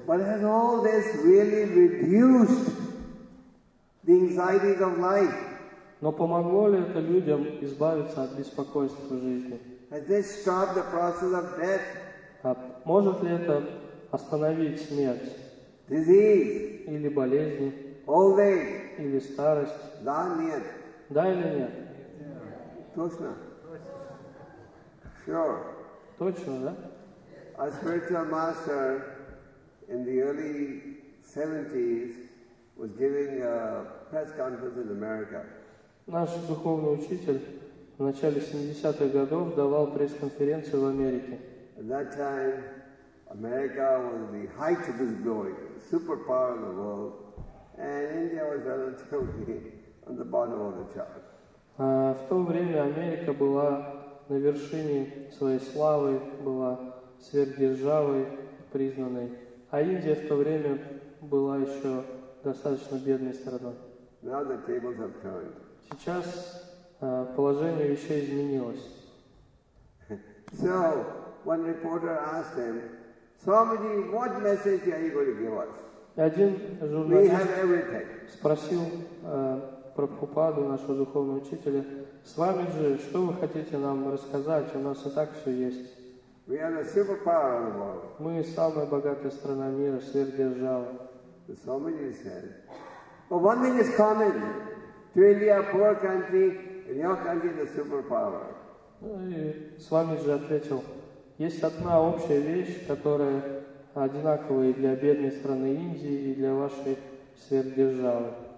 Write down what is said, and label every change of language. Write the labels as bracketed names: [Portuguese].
[English] But has all this really reduced the anxieties of life? [Russian] Но помогло ли это людям избавиться от беспокойств в жизни? [English] Has this stopped the process of death? [Russian] Может ли это остановить смерть? [English] Disease? [Russian] Или болезни? [English] Old age? [Russian] Или старость? Да, нет. Да или нет? Точно. [English] Sure. [Russian] Точно, да? [English] Our spiritual master in the early 70s was giving a press conference in America. [Russian] Наш духовный учитель в начале 70-х годов давал пресс-конференцию в Америке. [English] At that time, America was the height of its glory, superpower of the world, and India was relatively on the bottom of the chart. [Russian] В то время Америка была на вершине своей славы, была сверхдержавой признанной, а Индия в то время была еще достаточно бедной страной. [English] Now the tables have turned. [Russian] Сейчас положение вещей изменилось. [English] So, one reporter asked him, Swamiji, what message are you going to give us? [Russian] Один журналист спросил Прабхупаду, нашего духовного учителя, Свамиджи, что вы хотите нам рассказать? У нас и так все есть. [English] We are the superpower of the world. [Russian] Мы самая богатая страна мира, сверхдержава. [English] The Swamiji said, well, one thing is common. To India, poor country, in your country, the superpower. [Russian] И Свамиджи ответил, есть одна общая вещь, которая одинакова и для бедной страны Индии, и для вашей сверхдержавы.